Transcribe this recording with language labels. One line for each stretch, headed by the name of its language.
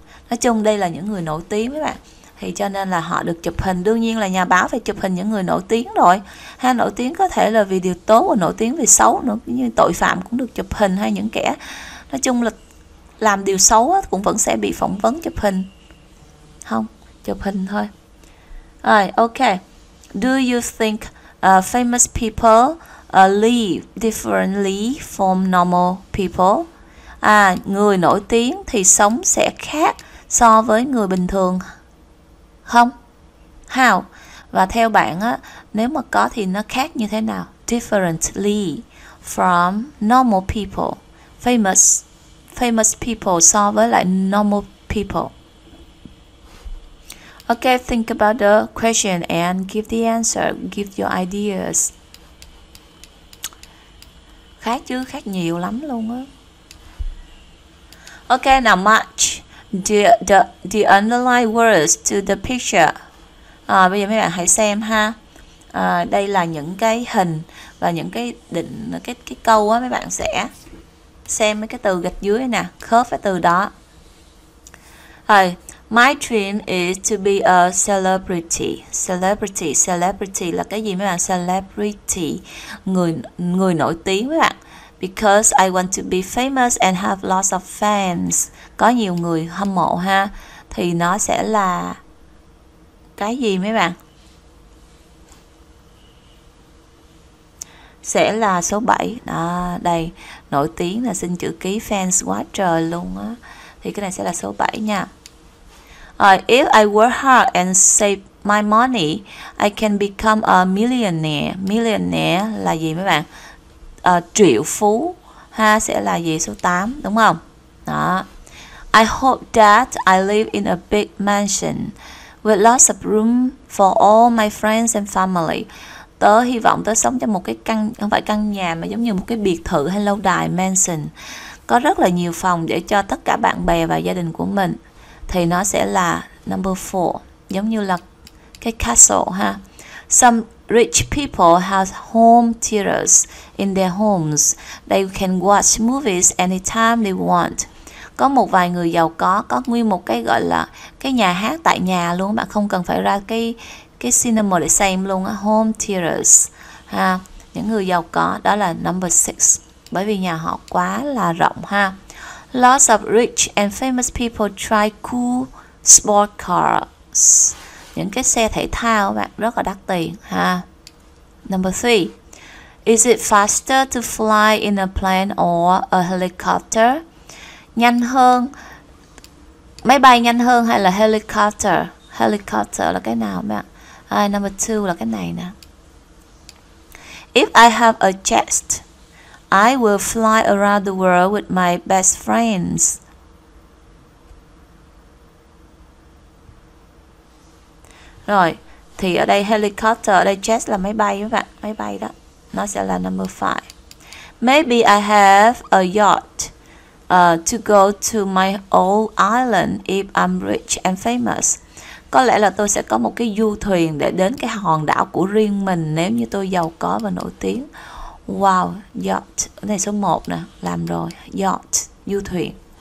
Vietnamese: Nói chung đây là những người nổi tiếng mấy bạn. Thì cho nên là họ được chụp hình. Đương nhiên là nhà báo phải chụp hình những người nổi tiếng rồi. Ha, nổi tiếng có thể là vì điều tốt và nổi tiếng vì xấu nữa. Như tội phạm cũng được chụp hình hay những kẻ. Nói chung là làm điều xấu cũng vẫn sẽ bị phỏng vấn chụp hình. Không, chụp hình thôi. Rồi, ok.
English: Do you think famous people live differently from normal people?
Vietnamese: À, người nổi tiếng thì sống sẽ khác so với người bình thường không?
English: How?
Vietnamese: Và theo bạn á, nếu mà có thì nó khác như thế nào?
English: Differently from normal people. Famous people
Vietnamese: so với lại
English: normal people. Okay, think about the question and give the answer. Give your ideas.
Vietnamese: Khác chứ, khác nhiều lắm luôn á.
English: Okay, now match the underlined words to the picture.
Vietnamese: À, bây giờ mấy bạn hãy xem ha. À, đây là những cái hình và những cái định cái câu á, mấy bạn sẽ xem mấy cái từ gạch dưới nè, khớp với từ đó. Rồi,
English: my dream is to be a celebrity.
Vietnamese: Celebrity, celebrity là cái gì mấy bạn? Celebrity, người nổi tiếng mấy bạn.
English: Because I want to be famous and have lots of fans.
Vietnamese: Có nhiều người hâm mộ ha. Thì nó sẽ là cái gì mấy bạn? Sẽ là số 7. Đó, đây, nổi tiếng là xin chữ ký fans quá trời luôn á. Thì cái này sẽ là số 7 nha.
English: If I work hard and save my money, I can become a millionaire.
Vietnamese: Millionaire là gì mấy bạn? Triệu phú ha, sẽ là gì? Số 8, đúng không? Đó.
English: I hope that I live in a big mansion with lots of room for all my friends and family.
Vietnamese: Tớ hy vọng tớ sống trong một cái căn, không phải căn nhà mà giống như một cái biệt thự hay lâu đài, mansion. Có rất là nhiều phòng để cho tất cả bạn bè và gia đình của mình. Thì nó sẽ là number 4, giống như là cái castle ha.
English: Some rich people have home theaters in their homes. They can watch movies anytime they want.
Vietnamese: Có một vài người giàu có nguyên một cái gọi là cái nhà hát tại nhà luôn, mà không cần phải ra cái cinema để xem luôn á, home theaters ha. Những người giàu có đó là number 6, bởi vì nhà họ quá là rộng ha.
English: Lots of rich and famous people try cool sport cars.
Vietnamese: Những cái xe thể thao bạn rất là đắt tiền ha. Number 3.
English: Is it faster to fly in a plane or a helicopter?
Vietnamese: Nhanh hơn, máy bay nhanh hơn hay là helicopter? Helicopter là cái nào bạn? Number 2 là cái này nè.
English: If I have a chest, I will fly around the world with my best friends.
Vietnamese: Rồi, thì ở đây helicopter, ở đây jet là máy bay các bạn, máy bay đó. Nó sẽ là number 5.
English: Maybe I have a yacht to go to my old island if I'm rich and famous.
Vietnamese: Có lẽ là tôi sẽ có một cái du thuyền để đến cái hòn đảo của riêng mình nếu như tôi giàu có và nổi tiếng. Wow, yacht, cái này số 1 nè, làm rồi, yacht, du thuyền.